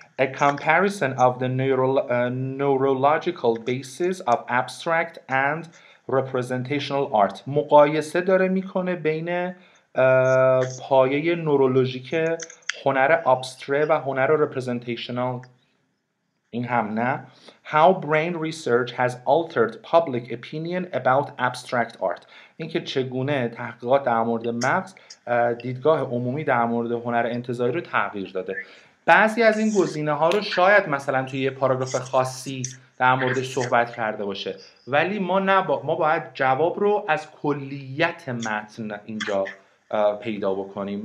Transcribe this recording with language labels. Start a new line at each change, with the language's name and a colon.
English: A comparison of the neurological basis of abstract and representational art.
Persian: مقایسه داره میکنه بین پایه نورولوژیک هنر ابستره و هنر رپرزنتیشنال. این هم نه.
English: How brain research has altered public opinion about abstract art.
Persian: اینکه چگونه تحقیقات در مورد مغز دیدگاه عمومی در مورد هنر انتزاعی رو تغییر داده. بعضی از این گزینه ها رو شاید مثلا توی یه پاراگراف خاصی در موردش صحبت کرده باشه، ولی ما باید جواب رو از کلیت متن اینجا پیدا بکنیم.